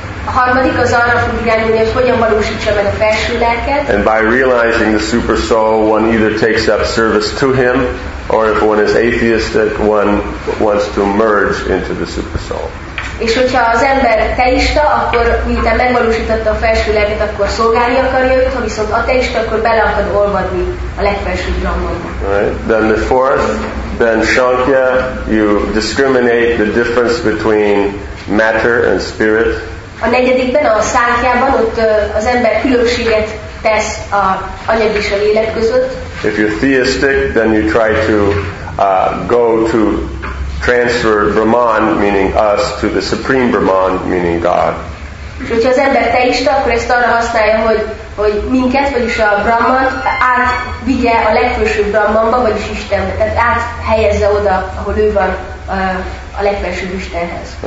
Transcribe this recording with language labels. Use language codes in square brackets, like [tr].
[hu] A harmadik az arra fog irányulni, hogy hogyan valósítsa meg a felső lelket. [en] And by realizing the super soul, one either takes up service to him, or if one is atheistic, one wants to merge into the super soul. [hu] És hogyha az ember teista, akkor miután megvalósította a felső lelket, akkor szolgálni akarja őt, ha viszont ateista, akkor bele akad olvadni a legfelső dzsammába. [en] Right. Then the fourth, then Shankya, you discriminate the difference between matter and spirit. [hu] A negyedikben, a Sankhyában, ott az ember különbséget tesz a anyag és a lélek között. [en] If you're theistic, then you try to go to transfer Brahman, meaning us, to the supreme Brahman, meaning God. [hu] És hogyha az ember teista, akkor ezt arra használja, hogy minket, vagyis a Brahmant átvigye a legfősőbb Brahmanba, vagyis Istenbe. Tehát áthelyezze oda, ahol ő van, a legfősőbb Istenhez.